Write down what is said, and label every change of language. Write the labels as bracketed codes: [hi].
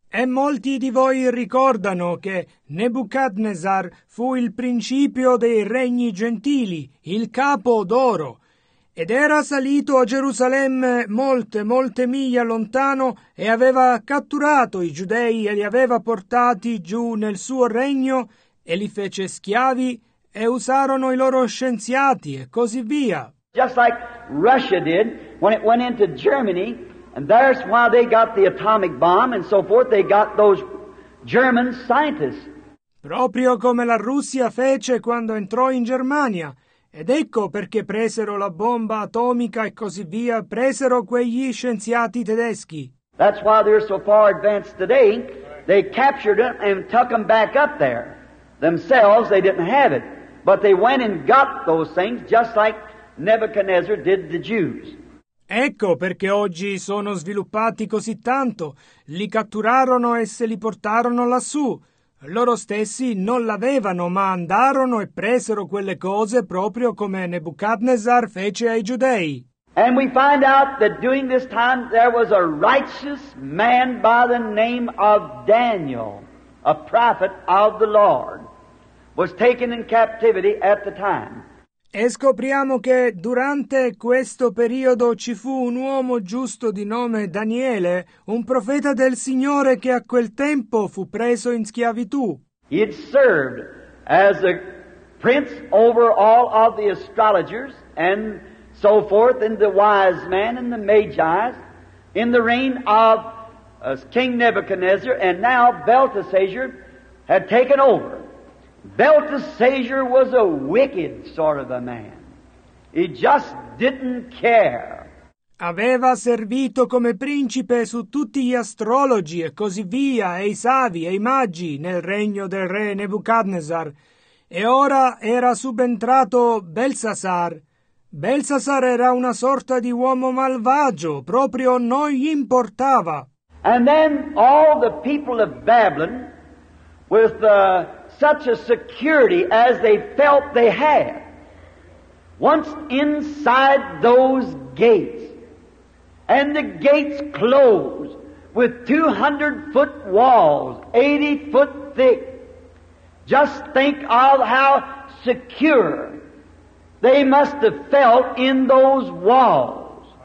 [it] E molti di voi ricordano che Nebuchadnezzar fu il principio dei regni gentili, il capo d'oro, ed era salito a Gerusalemme molte, molte miglia lontano e aveva catturato i giudei e li aveva portati giù nel suo regno e li fece schiavi e usarono i loro scienziati e così via. [en] Just like Russia did when it went into Germany, and that's why they got the atomic bomb and so forth, they got those German scientists. [it] Proprio come la Russia fece quando entrò in Germania, ed ecco perché presero la bomba atomica e così via, presero quegli scienziati tedeschi. [en] That's why they're so far advanced today. They captured them and took them back up there. Themselves, they didn't have it, but they went and got those things just like Nebuchadnezzar did the Jews. [it] Ecco perché oggi sono sviluppati così tanto. Li catturarono e se li portarono lassù. Loro stessi non l'avevano, ma andarono e presero quelle cose proprio come Nebuchadnezzar fece ai giudei. [en] And we find out that during this time there was a righteous man by the name of Daniel, a prophet of the Lord, was taken in captivity at the time. [it] E scopriamo che durante questo periodo ci fu un uomo giusto di nome Daniele, un profeta del Signore che a quel tempo fu preso in schiavitù. [en] He had served as a prince over all of the astrologers and so forth, and the wise men and the magi in the reign of as King Nebuchadnezzar, and now Belteshazzar had taken over. Belteshazzar was a wicked sort of a man. He just didn't care. [it] Aveva servito come principe su tutti gli astrologi e così via, e i savi e i magi nel regno del re Nebuchadnezzar. E ora era subentrato Belsasar. Belsasar era una sorta di uomo malvagio, proprio non gli importava. [en] And then all the people of Babylon, with such a security as they felt they had, once inside those gates, and the gates closed with 200-foot walls, 80-foot thick, just think of how secure they must have felt in those walls.